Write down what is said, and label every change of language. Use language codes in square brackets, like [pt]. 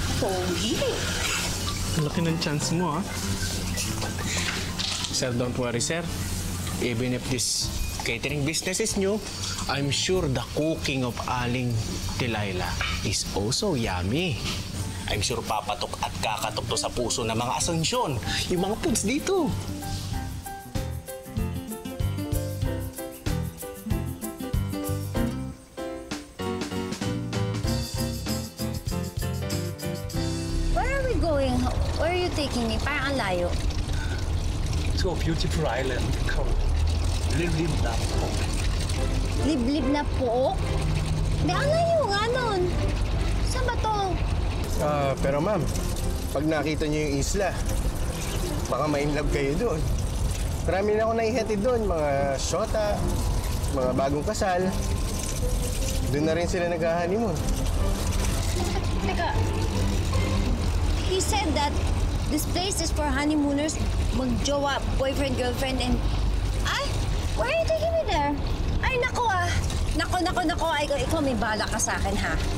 [tl] Pogi. Ang laki ng chance mo, ha? [en] Sir, don't worry, sir. Even if this catering business is new, I'm sure the cooking of Aling Delilah is also yummy. I'm sure [tl] papatok at kakatok to sa puso ng mga Asuncion, yung mga foods dito. [en] Where are we going? Where are you taking me? [tl] Parang ang layo. [en] To a beautiful island called Liblibla. [tl] Liblib na po? Di, ang layo nga nun. Saan ba to? Pero ma'am, pag nakita niyo yung isla, baka ma-inlove kayo doon. Marami na akong naihatid doon, mga shota, mga bagong kasal. Doon na rin sila nag-honeymoon. Teka, [en] he said that this place is for honeymooners, mag-jowa, boyfriend, girlfriend, and... Ay, why are you taking me there? [tl] Ay, naku ah! Naku, ay, ikaw may bala ka sa akin, ha?